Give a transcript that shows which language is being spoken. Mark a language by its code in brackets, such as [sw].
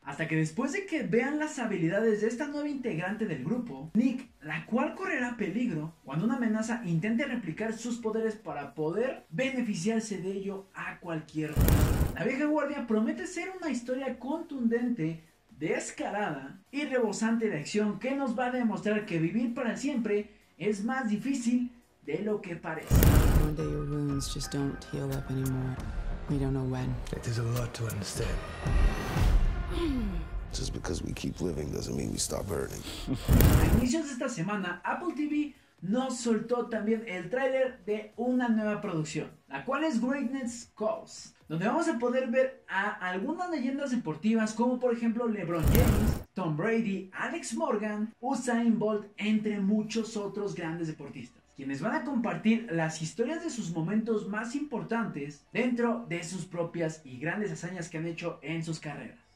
[es] Hasta que después de que vean las habilidades de esta nueva integrante del grupo, Nick, la cual correrá peligro cuando una amenaza intente replicar sus poderes para poder beneficiarse de ello a cualquier costo. La Vieja Guardia promete ser una historia contundente, descarada y rebosante de acción, que nos va a demostrar que vivir para siempre es más difícil de lo que parece. [en] One day your wounds just don't heal up anymore. We don't know when. It is a lot to understand. Just because we keep living doesn't mean we stop hurting. [es] A inicios de esta semana, Apple TV nos soltó también el tráiler de una nueva producción, la cual es Greatness Calls, donde vamos a poder ver a algunas leyendas deportivas como por ejemplo LeBron James, Tom Brady, Alex Morgan, Usain Bolt, entre muchos otros grandes deportistas, quienes van a compartir las historias de sus momentos más importantes dentro de sus propias y grandes hazañas que han hecho en sus carreras.